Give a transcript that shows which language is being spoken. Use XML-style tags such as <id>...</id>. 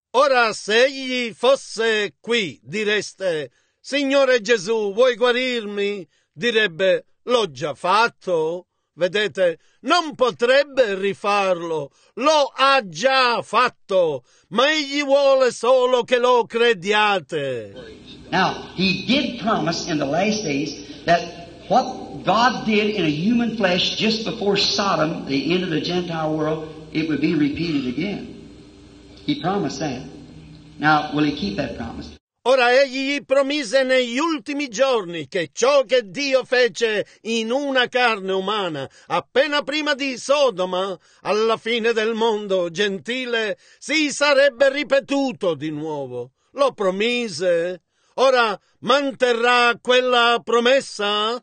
<it>Ora, se egli fosse qui, direste, Signore Gesù, vuoi guarirmi? Direbbe, l'ho già fatto. Vedete, non potrebbe rifarlo. Lo ha già fatto. Ma egli vuole solo che lo crediate.</it> <en>Now, he did promise in the last days that what God did in a human flesh just before Sodom, the end of the Gentile world, it would be repeated again. He promised that. Now, will he keep that promise?</en> <it>Ora, egli promise negli ultimi giorni che ciò che Dio fece in una carne umana, appena prima di Sodoma, alla fine del mondo gentile, si sarebbe ripetuto di nuovo. Lo promise. Ora, manterrà quella promessa?</it>